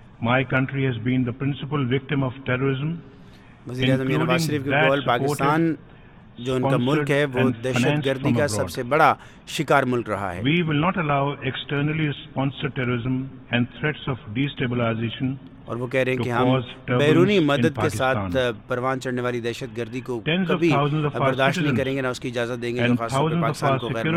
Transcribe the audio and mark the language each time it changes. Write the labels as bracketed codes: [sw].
[en] My country has been the principal victim of terrorism. [ur] وزیر اعظم نواز شریف کے بقول پاکستان جو ان کا ملک ہے وہ دہشت گردی کا سب سے بڑا شکار ملک رہا ہے. [en] We will not allow externally sponsored terrorism and threats of destabilization. [ur] اور وہ کہہ رہے ہیں کہ ہم بیرونی مدد کے ساتھ پروان چڑھنے والی دہشت گردی کو کبھی برداشت نہیں کریں گے, نہ اس کی اجازت دیں گے.